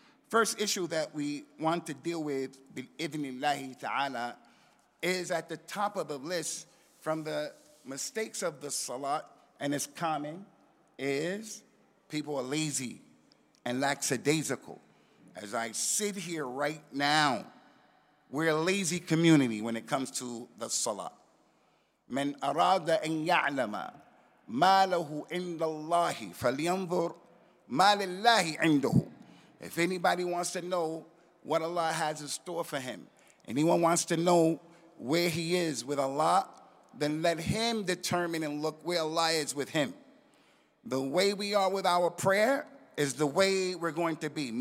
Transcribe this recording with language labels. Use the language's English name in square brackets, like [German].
[English] First issue that we want to deal with, bi-idhnillahi ta'ala, is at the top of the list from the mistakes of the Salat, and it's common, is people are lazy and lackadaisical. As I sit here right now, we're a lazy community when it comes to the Salat. [Arabic] من أراد أن يعلم ما له عند الله فلينظر ما لله عنده. [English] If anybody wants to know what Allah has in store for him, anyone wants to know where he is with Allah, then let him determine and look where Allah is with him. The way we are with our prayer is the way we're going to be.